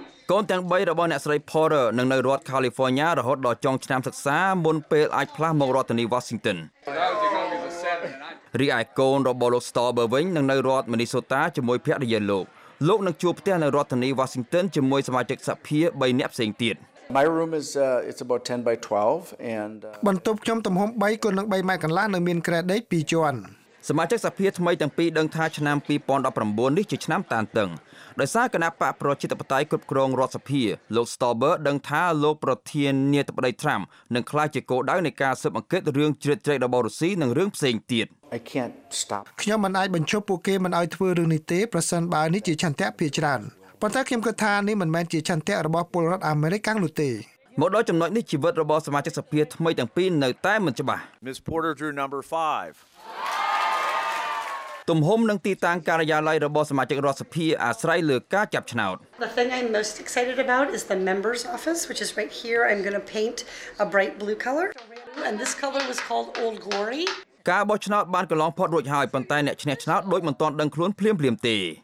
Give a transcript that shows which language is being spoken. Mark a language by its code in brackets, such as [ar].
[km] កូនទាំង3របស់អ្នកស្រី Porter នឹងនៅរដ្ឋ California រហូតដល់ចុងឆ្នាំសិក្សាមុនពេលអាចផ្លាស់មករដ្ឋធានី Washington រីឯកូនរបស់លោក Stauber វិញនឹងនៅរដ្ឋ Minnesota ជាមួយភរិយាលោកលោកនឹងជួបផ្ទះនៅរដ្ឋធានី Washington ជាមួយសមាជិកសភា3នាក់ផ្សេងទៀត [en] My room is it's about 10 by 12 and [km] បន្ទប់ខ្ញុំទំហំ 3x3 ម៉ែត្រកន្លះនៅមានក្រេដិត2ជាន់សមាជិកសភាថ្មីទាំងពីរដឹងថាឆ្នាំ2019នេះជាឆ្នាំតានតឹងដោយសារគណៈបកប្រជាធិបតេយ្យគ្រប់គ្រងរដ្ឋសភាលោក Stauber ដឹងថាលោកប្រធាននាយកប្រដ័យ Trump នឹងខ្លាចជាគោដៅនៃការស៊ើបអង្កេតរឿងជ្រៀតជ្រែករបស់រុស្ស៊ីនិងរឿងផ្សេងទៀត [en] I can't stop [km] ខ្ញុំមិនអាចបញ្ឈប់ពួកគេមិនឲ្យធ្វើរឿងនេះទេប្រសិនបើនេះជាឆន្ទៈភាច្រើនប៉ុន្តែខ្ញុំគិតថានេះមិនមែនជាឆន្ទៈរបស់ពលរដ្ឋអាមេរិកកាំងនោះទេ មកដល់ចំណុចនេះជីវិតរបស់សមាជិកសភាថ្មីទាំងពីរនៅតែមិនច្បាស់ [en] Miss Porter drew number 5 [km] ទំហំនិងទីតាំងការិយាល័យរបស់សមាជិករដ្ឋសភាអាស្រ័យលើការចាប់ឆ្នោត [en] The thing I'm most excited about is the members office which is right here I'm going to paint a bright blue color and this color was called Old Glory [km] ការបោះឆ្នោតបានកន្លងផុតរួចហើយប៉ុន្តែអ្នកឈ្នះឆ្នោតដូចមិនទាន់ដឹងខ្លួនភ្លាមៗទេ